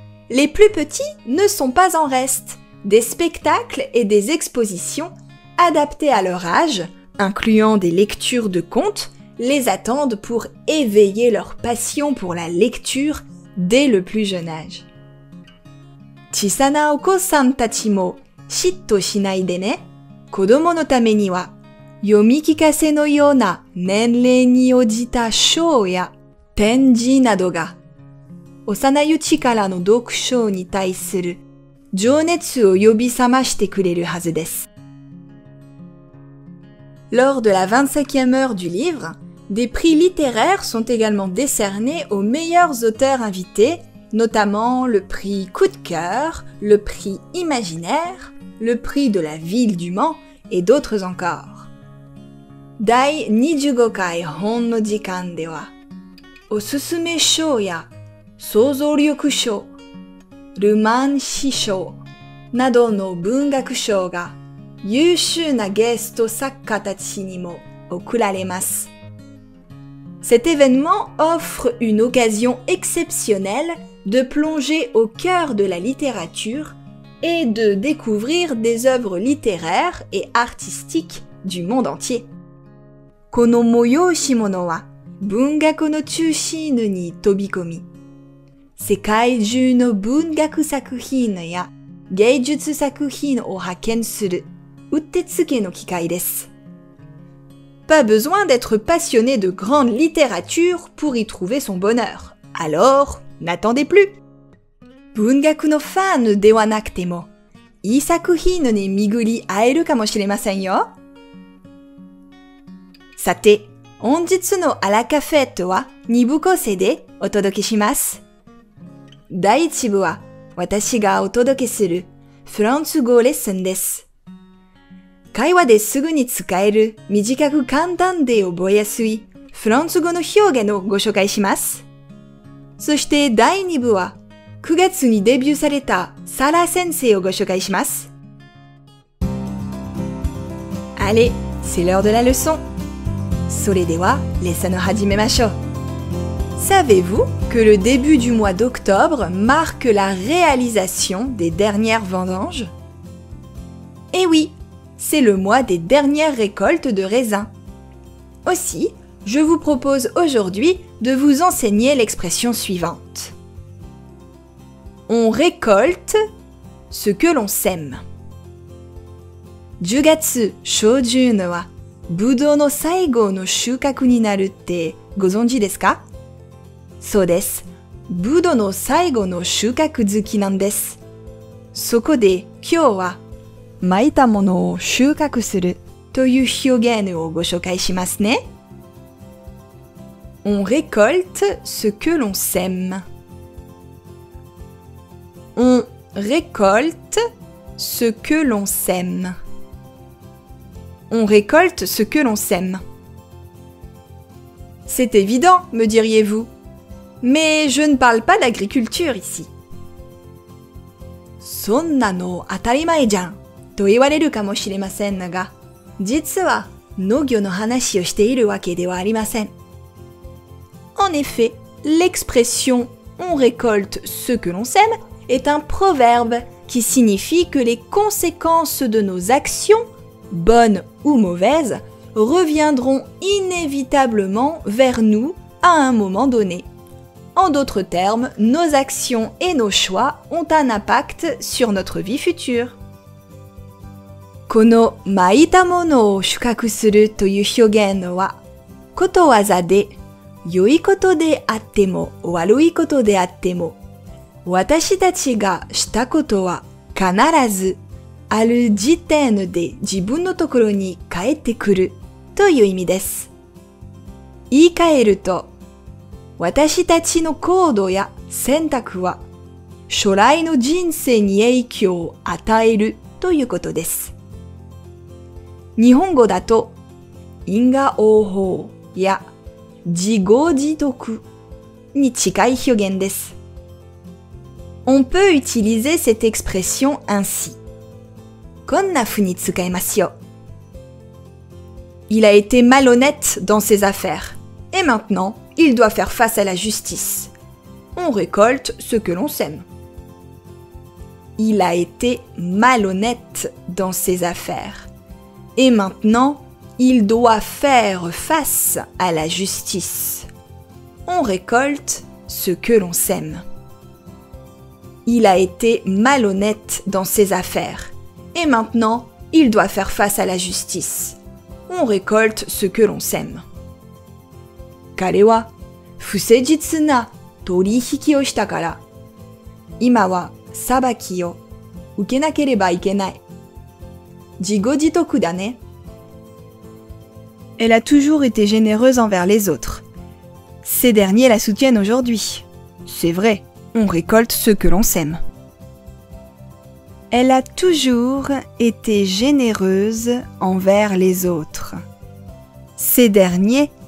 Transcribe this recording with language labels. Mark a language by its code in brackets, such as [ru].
[fr] Les plus petits ne sont pas en reste. Des spectacles et des expositions adaptées à leur âge, incluant des lectures de contes, les attendent pour éveiller leur passion pour la lecture dès le plus jeune âge. [ja] 小さなお子さんたちも嫉妬しないでね。子供のためには読み聞かせのような年齢に応じたショーや展示などが、幼いうちからの読書に対する情熱を呼び覚ましてくれるはずです。 [fr] Lors de la 25e heure du livre, des prix littéraires sont également décernés aux meilleurs auteurs invités, notamment le prix coup de cœur, le prix imaginaire, le prix de la ville du Mans et d'autres encore. [ja] 第25回本の時間では、おすすめ賞や想像力賞、ルマン詩賞などの文学賞が優秀なゲスト作家たちにも贈られます。 [fr] Cet événement offre une occasion exceptionnelle de plonger au cœur de la littérature et de découvrir des œuvres littéraires et artistiques du monde entier. [ja] この催し物は文学の中心に飛び込み、世界中の文学作品や芸術作品を発見するうってつけの機会です。 [fr] Pas besoin d'être passionné de grande littérature pour y trouver son bonheur. Alors, n'attendez plus! [ja] 文学のファンではなくても、いい作品に巡り会えるかもしれませんよ。さて、本日のアラカフェットは2部構成でお届けします。第1部は私がお届けするフランス語レッスンです。会話ですぐに使える短く簡単で覚えやすいフランス語の表現をご紹介します。そして第2部は9月にデビューされたサラ先生をご紹介します。 [fr] Allez, c'est l'heure de la leçon. [ja] それでは、レッスンを始めましょう。 [fr] Savez-vous que le début du mois d'octobre marque la réalisation des dernières vendanges ? Eh oui, c'est le mois des dernières récoltes de raisins. Aussi, je vous propose aujourd'hui de vous enseigner l'expression suivante. On récolte ce que l'on sème. [ja] 10月初旬はブドウの最後の収穫になるってご存知ですか？そうです。ブドウの最後の収穫時期なんです。そこで今日は、まいたものを収穫するという表現をご紹介しますね。 [fr] On récolte ce que l'on sème. On récolte ce que l'on sème. On récolte ce que l'on sème. C'est évident, me diriez-vous. Mais je ne parle pas d'agriculture ici. [ja] そんなの当たり前じゃんと言われるかもしれませんが、実は農業の話をしているわけではありません。 [fr] En effet, l'expression « on récolte ce que l'on sème » est un proverbe qui signifie que les conséquences de nos actions, bonnes ou mauvaises, reviendront inévitablement vers nous à un moment donné. En d'autres termes, nos actions et nos choix ont un impact sur notre vie future. [ja] このまいたものを収穫するという表現は、ことわざで、良いことであっても悪いことであっても、私たちがしたことは必ずある時点で自分のところに帰ってくるという意味です。言い換えると、私たちの行動や選択は将来の人生に影響を与えるということです。日本語だと因果応報や自業自得に近い表現です。 [fr] On peut utiliser cette expression ainsi. [ja] こんなふうに使いますよ。 [fr] Il a été malhonnête dans ses affaires. Et maintenant? Il doit faire face à la justice. On récolte ce que l'on sème. Il a été malhonnête dans ses affaires. Et maintenant, il doit faire face à la justice. On récolte ce que l'on sème. Il a été malhonnête dans ses affaires. Et maintenant, il doit faire face à la justice. On récolte ce que l'on sème. [ja] 彼は不誠実な取引をしたから、今は裁きを受けなければいけない。自業自得だね。 [fr] Elle a toujours été généreuse envers les autres. Ces derniers la soutiennent aujourd'hui. C'est vrai, on récolte ce que l'on sème. Elle a toujours été généreuse envers les autres. Ces derniers...